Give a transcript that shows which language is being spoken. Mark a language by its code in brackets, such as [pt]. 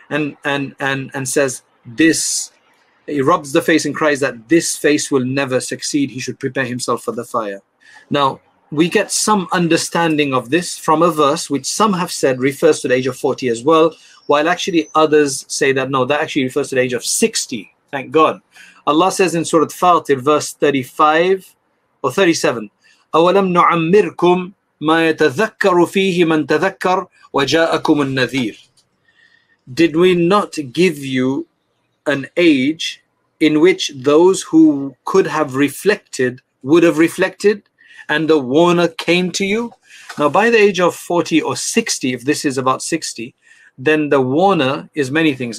[en] And says this, he rubs the face and cries that this face will never succeed. He should prepare himself for the fire. Now, we get some understanding of this from a verse which some have said refers to the age of 40 as well, while actually others say that no, that actually refers to the age of 60. Thank God. Allah says in Surah Fatir, verse 35 or 37, [ar] أَوَلَمْ نُعَمِّرْكُمْ مَا يَتَذَكَّرُ فِيهِ مَنْ تَذَكَّرُ وَجَاءَكُمُ النَّذِيرُ. [en] Did we not give you an age in which those who could have reflected would have reflected, and the warner came to you? Now by the age of 40 or 60, if this is about 60, then the warner is many things.